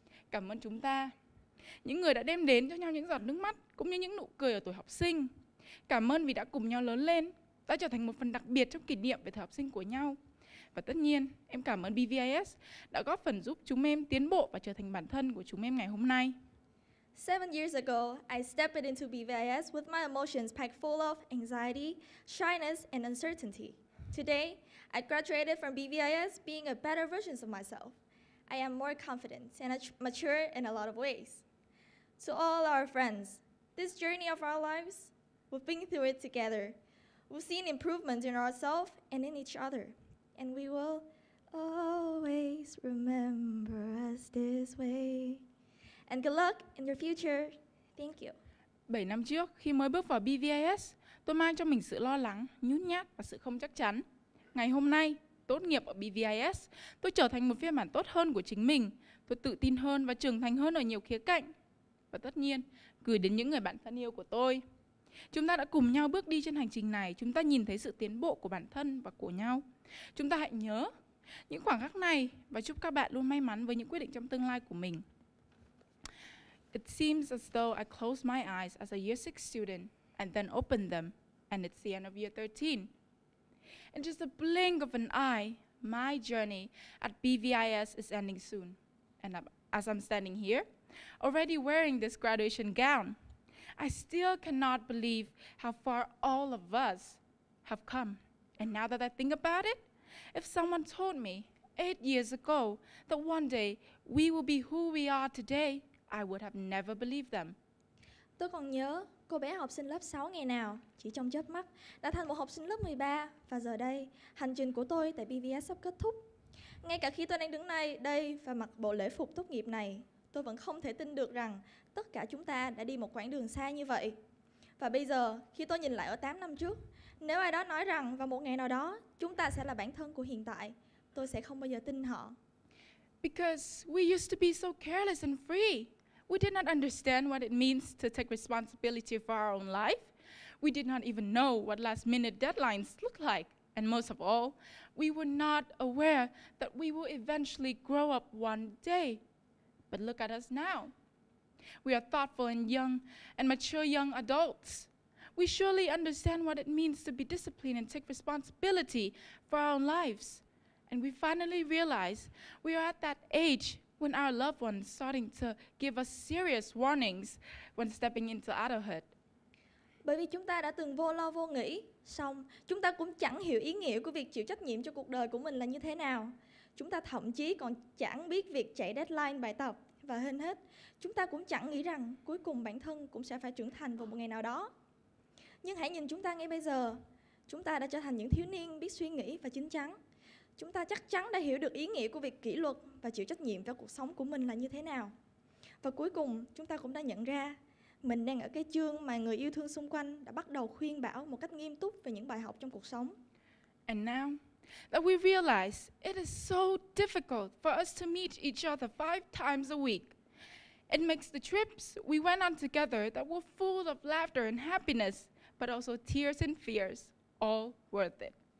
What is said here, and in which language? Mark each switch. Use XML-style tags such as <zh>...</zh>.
<vi>Cảm ơn chúng ta, những người đã đem đến cho nhau những giọt nước mắt cũng như những nụ cười ở tuổi học sinh. Cảm ơn vì đã cùng nhau lớn lên, đã trở thành một phần đặc biệt trong kỷ niệm về thời học sinh của nhau. Và tất nhiên, em cảm ơn BVIS đã góp phần giúp chúng em tiến bộ và trở thành bản thân của chúng em ngày hôm nay.</vi> <en>7 years ago, I stepped into BVIS with my emotions packed full of anxiety, shyness, and uncertainty. Today, I graduated from BVIS being a better version of myself. I am more confident and mature in a lot of ways. To all our friends, this journey of our lives, we've been through it together. We've seen improvements in ourselves and in each other. And we will always remember us this way. And good luck in your future. Thank you.</en> <vi>7 năm trước, khi mới bước vào BVIS, tôi mang cho mình sự lo lắng, nhút nhát và sự không chắc chắn. Ngày hôm nay, tốt nghiệp ở BVIS, tôi trở thành một phiên bản tốt hơn của chính mình. Tôi tự tin hơn và trưởng thành hơn ở nhiều khía cạnh. Và tất nhiên, gửi đến những người bạn thân yêu của tôi. Chúng ta đã cùng nhau bước đi trên hành trình này, chúng ta nhìn thấy sự tiến bộ của bản thân và của nhau. Chúng ta hãy nhớ những khoảnh khắc này và chúc các bạn luôn may mắn với những quyết định trong tương lai của mình.</vi> <en>It seems as though I closed my eyes as a year 6 student and then opened them, and it's the end of year 13. In just a blink of an eye, my journey at BVIS is ending soon. And as I'm standing here, already wearing this graduation gown, I still cannot believe how far all of us have come. And now that I think about it, if someone told me 8 years ago that one day we will be who we are today, I would have never believed them.</en> <vi>Tôi còn nhớ cô bé học sinh lớp 6 ngày nào, chỉ trong chớp mắt, đã thành một học sinh lớp 13. Và giờ đây, hành trình của tôi tại BVIS sắp kết thúc. Ngay cả khi tôi đang đứng này, đây và mặc bộ lễ phục tốt nghiệp này, tôi vẫn không thể tin được rằng tất cả chúng ta đã đi một quãng đường xa như vậy. Và bây giờ, khi tôi nhìn lại ở 8 năm trước, nếu ai đó nói rằng vào một ngày nào đó, chúng ta sẽ là bản thân của hiện tại, tôi sẽ không bao giờ tin họ.</vi> <en>Because we used to be so careless and free. We did not understand what it means to take responsibility for our own life. We did not even know what last-minute deadlines look like. And most of all, we were not aware that we will eventually grow up one day. But look at us now. We are thoughtful and young and mature young adults. We surely understand what it means to be disciplined and take responsibility for our own lives. And we finally realize we are at that age when our loved ones starting to give us serious warnings when stepping into adulthood.</en> <vi>Bởi vì chúng ta đã từng vô lo vô nghĩ, xong chúng ta cũng chẳng hiểu ý nghĩa của việc chịu trách nhiệm cho cuộc đời của mình là như thế nào. Chúng ta thậm chí còn chẳng biết việc chạy deadline bài tập. Và hơn hết, chúng ta cũng chẳng nghĩ rằng cuối cùng bản thân cũng sẽ phải trưởng thành vào một ngày nào đó. Nhưng hãy nhìn chúng ta ngay bây giờ. Chúng ta đã trở thành những thiếu niên biết suy nghĩ và chín chắn. Chúng ta chắc chắn đã hiểu được ý nghĩa của việc kỷ luật và chịu trách nhiệm cho cuộc sống của mình là như thế nào. Và cuối cùng, chúng ta cũng đã nhận ra mình đang ở cái chương mà người yêu thương xung quanh đã bắt đầu khuyên bảo một cách nghiêm túc về những bài học trong cuộc sống.</vi> <en>And now that we realize it is so difficult for us to meet each other 5 times a week, it makes the trips we went on together that were full of laughter and happiness, but also tears and fears, all worth it.</en>